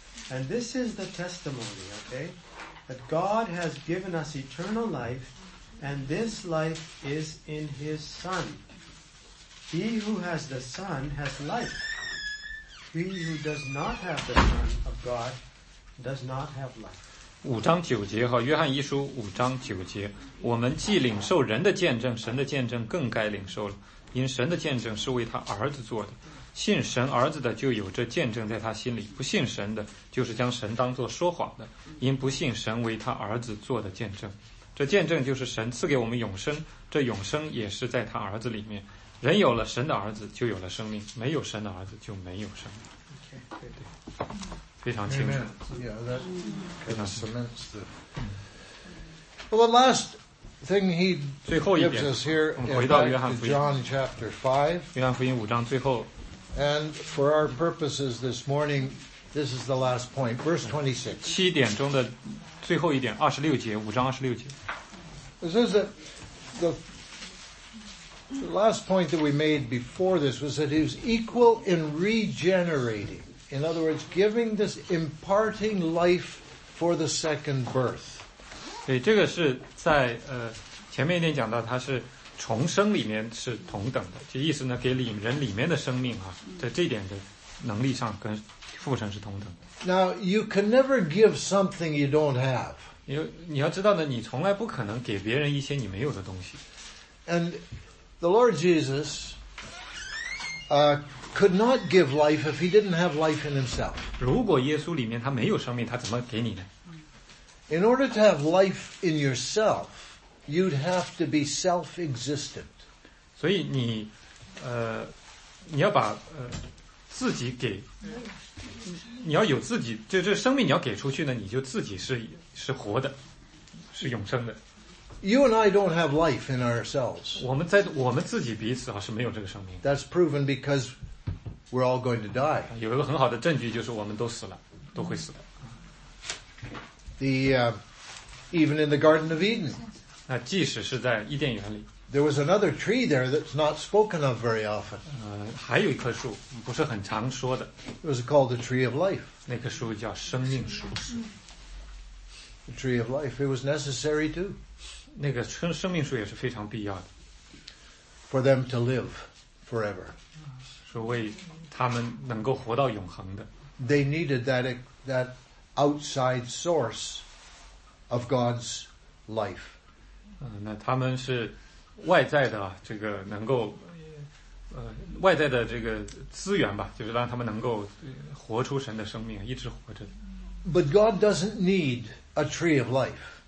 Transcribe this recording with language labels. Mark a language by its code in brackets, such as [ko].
[en] And this is the testimony, okay? That God has given us eternal life, and this life is in his Son. He who has the Son has life. He who does not have the Son of God does not have life." [zh] 五章九节和约翰一书五章九节，我们既领受人的见证，神的见证更该领受了，因神的见证是为他儿子做的，信神儿子的就有这见证在他心里，不信神的就是将神当作说谎的，因不信神为他儿子做的见证。这见证就是神赐给我们永生，这永生也是在他儿子里面。人有了神的儿子就有了生命，没有神的儿子就没有生命。 okay, 对对，非常清楚。 [en] Amen. Yeah, that well, the last thing he gives us here is John chapter 5. [zh] 约翰福音五章最后。 [en] And for our purposes this morning, this is the last point, verse 26. [zh] 七点钟的最后一点，二十六节，五章二十六节。 [en] This is the last point that we made before this was that he was equal in regenerating. In other words, giving this imparting life for the second birth. [zh] 对，这个是在前面一点讲到，它是重生里面是同等的，就意思呢，给人里面的生命啊，在这点的能力上跟父神是同等的。 [en] Now you can never give something you don't have. [zh] 你要知道呢，你从来不可能给别人一些你没有的东西。 [en] And the Lord Jesus, could not give life if he didn't have life in himself. [zh] 如果耶稣里面他没有生命，他怎么给你呢？ [en] In order to have life in yourself, you'd have to be self-existent. [zh] 所以你你要把自己给，你要有自己，这生命你要给出去呢，你就自己是活的，是永生的。 [en] You and I don't have life in ourselves. [zh] 我们自己彼此啊是没有这个生命。 [en] That's proven because we're all going to die. [zh] 有一个很好的证据就是我们都死了，都会死的。 [en] Even in the Garden of Eden. [zh] 那即使是在伊甸园里。 [en] There was another tree there that's not spoken of very often. [zh] 还有一棵树不是很常说的。 [en] It was called the tree of life. [zh] 那棵树叫生命树。 [en] The tree of life. It was necessary too. [zh] 那个生命树也是非常必要的。 [en] For them to live forever. [zh] 是为他们能够活到永恒的。 [en] They needed that outside source of God's life. [zh] 那他们是外在的这个能够外在的这个资源吧，就是让他们能够活出神的生命，一直活着。 [en] But God doesn't need a tree of life.